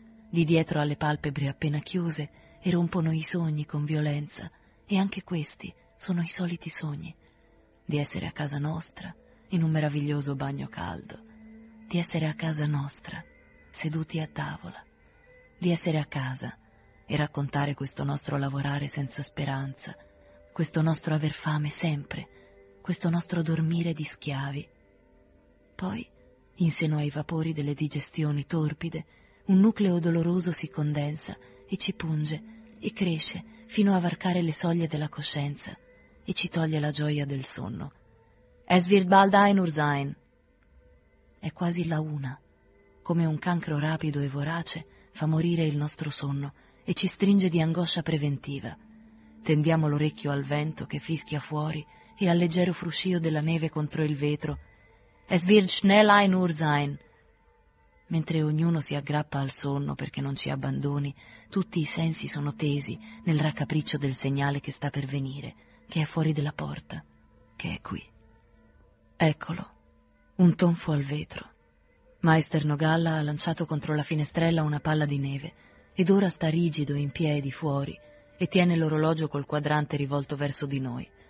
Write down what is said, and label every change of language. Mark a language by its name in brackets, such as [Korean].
[Italian] Di dietro alle palpebre appena chiuse erompono i sogni con violenza, e anche questi sono i soliti sogni: di essere a casa nostra, in un meraviglioso bagno caldo, di essere a casa nostra, seduti a tavola, di essere a casa e raccontare questo nostro lavorare senza speranza, questo nostro aver fame sempre, questo nostro dormire di schiavi. Poi, in seno ai vapori delle digestioni torpide, un nucleo doloroso si condensa e ci punge e cresce fino a varcare le soglie della coscienza e ci toglie la gioia del sonno. [German] Es wird bald ein Uhr sein. [Italian] È quasi la 1. Come un cancro rapido e vorace fa morire il nostro sonno e ci stringe di angoscia preventiva. Tendiamo l'orecchio al vento che fischia fuori e al leggero fruscio della neve contro il vetro. [German] Es wird schnell ein Uhr sein. [Italian] Mentre ognuno si aggrappa al sonno perché non ci abbandoni, tutti i sensi sono tesi nel raccapriccio del segnale che sta per venire, che è fuori della porta, che è qui. Eccolo, un tonfo al vetro. Maester Nogalla ha lanciato contro la finestrella una palla di neve, ed ora sta rigido in piedi fuori e tiene l'orologio col quadrante rivolto verso di noi.